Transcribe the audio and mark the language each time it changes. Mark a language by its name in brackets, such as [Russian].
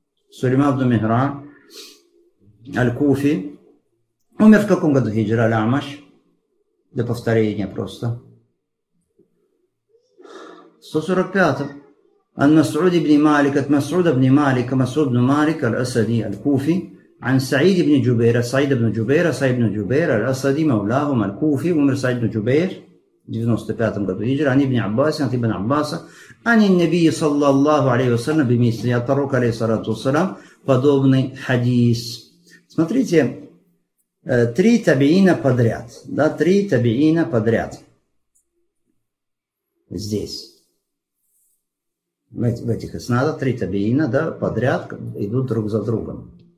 [Russian] Сулейман ибн Мигра. Аль-Куфи. Умер в каком году хиджра Аль-Амаш? Для повторения просто. 145-м. Ан-Мас'уд ибн Малик. От Мас'уда ибн Малика. Мас'уд ибн Малик. Аль-Асади. Аль-Куфи. [Arabic] عن سعيد بن جبير سعيد بن جبير سعيد بن جبير الأسدي مولاهما الكوفي عمر سعيد بن جبير 95 قبل الهجرة عن ابن عباس عن ابن عباس عن النبي صلى الله عليه وسلم بمثل يطرق عليه الصلاة والسلام подобный حديث. [Russian] Смотрите, три табиина подряд, да, три табиина подряд здесь, в этих иснадах, три табиина, да, подряд идут друг за другом.